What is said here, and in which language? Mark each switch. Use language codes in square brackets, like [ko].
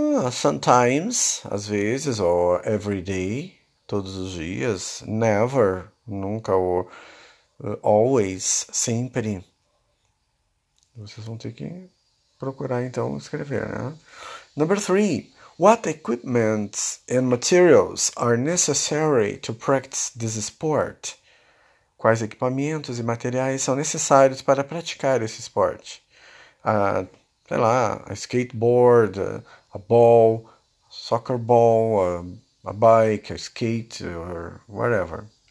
[en] Sometimes, [pt] às vezes, [en] or every day, [pt] todos os dias. Never, nunca, ou always, sempre. Vocês vão ter que procurar então escrever, né? [en] Number three, what equipments and materials are necessary to practice this sport? [pt] Quais equipamentos e materiais são necessários para praticar esse esporte? Sei lá, [en] a skateboard, a ball, soccer ball, a bike, a skate, or whatever.